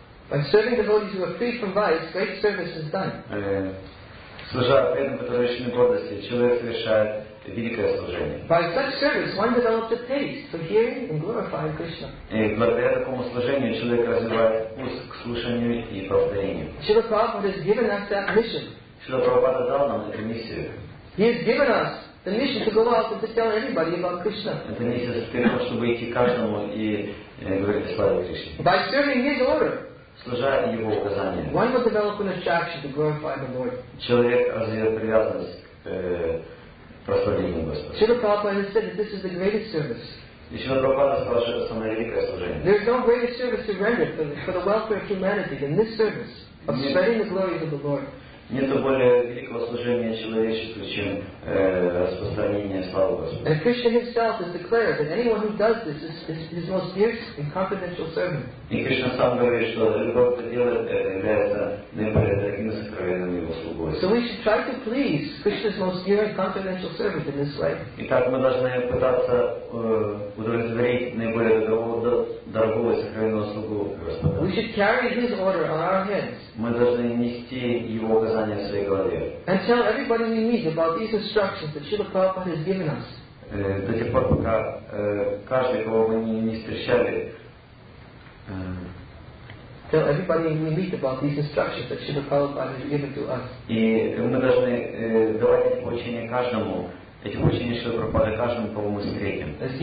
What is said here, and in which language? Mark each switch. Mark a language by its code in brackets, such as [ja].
[en] By serving the Lord, you will free from vice. Great service is done. [ru] Служа преданным, которые лишены гордости, человек совершает великое служение. [en] By such service, one develops a taste for hearing and glorifying Krishna. [ru] И благодаря такому служению человек развивает вкус к слушанию и повторению. [en] Srila Prabhupada has given us that mission. [ru] Srila Prabhupada дал нам эту миссию. [en] He has given us the mission to go out and to tell everybody about Krishna. [ru] Эта миссия состоит в том, чтобы идти каждому и говорить о славе Кришны. [en] By serving His order. [ru] Служа Его указаниям. [en] One will develop an attraction to glorify the Lord. [ru] Человек развивает привязанность к прославлению Господа. [en] Srila Prabhupada said that this is the greatest service. [ru] Srila Prabhupada сказал, что это самое великое служение. [en] There is no greater service to render for the welfare of humanity than this service of spreading the glories of the Lord. [ru] Нету более великого служения человечества, чем распространение славы Господа. [en] And Krishna himself has declared that anyone who does this is his most fierce and confidential servant. [ru] И Кришна сам говорит, что любой, кто делает это, является наиболее таким сокровенным его слугой. [en] So we should try to please Krishna's most dear and confidential servant in this way. [ru] Итак, мы должны пытаться удовлетворить наиболее дорогого и сокровенного слугу Господа. [en] We should carry his order on our heads. [ru] Мы должны нести его указания в своей голове. [en] And tell everybody we meet about these instructions that Srila Prabhupada has given us. [ru] До тех пор, пока каждый, кого мы не встречали, [en] tell everybody we meet about these instructions that Srila Prabhupada has given to us. [ru] И мы должны давать эти учения каждому. Эти учения Шрилы Прабхупады каждому, кого мы встретим.